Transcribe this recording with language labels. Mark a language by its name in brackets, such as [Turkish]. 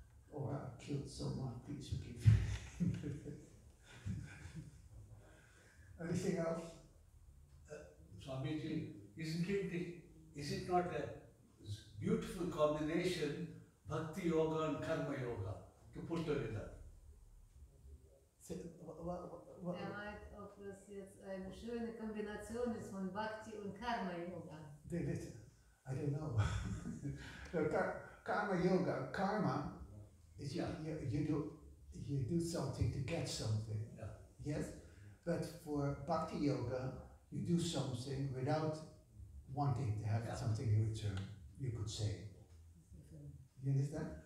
[English] Or I killed someone, please forgive me. Anything else? Swamiji, is it not a beautiful combination? Bhakti Yoga and Karma Yoga, to put together. So, what? [German] Er meint, ob das jetzt eine schöne Kombination ist von Bhakti und Karma Yoga. [English] David, I don't know. Karma Yoga, karma is you do something to get something. Yeah. Yes? But for Bhakti Yoga, you do something without wanting to have something in return, you could say. You understand?